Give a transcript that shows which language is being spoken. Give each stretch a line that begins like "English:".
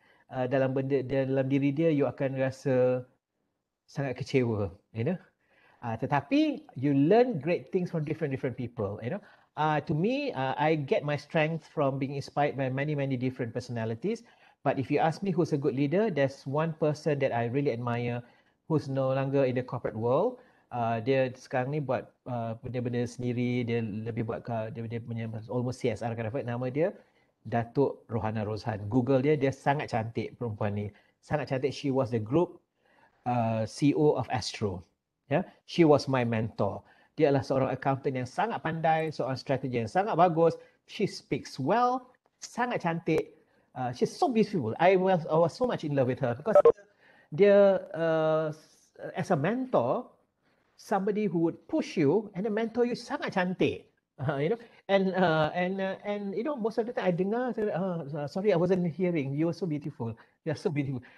Malay: Dalam benda, dalam diri dia, you akan rasa sangat kecewa,
English: you know. Tetapi you learn great things from different people, you know. To me, I get my strength from being inspired by many different personalities. But if you ask me who's a good leader, there's one person that I really admire who's no longer in the corporate world.
Malay: Dia sekarang ni buat benda-benda sendiri, dia lebih buat dia punya
English: almost CSR kind of it.
Malay: Nama dia Datuk Rohana Rozhan. Google dia, dia sangat cantik perempuan ni. Sangat cantik.
English: She was the group CEO of Astro. Yeah, she was my mentor.
Malay: Dia adalah seorang accountant yang sangat pandai, seorang strategi yang sangat bagus.
English: She speaks well,
Malay: sangat cantik.
English: She's so beautiful. I was so much in love with her because dia as a mentor, somebody who would push you and then mentor you,
Malay: sangat cantik.
English: You know, and you know, most of the time I dengar, sorry, I wasn't hearing. You were so beautiful. You're so beautiful.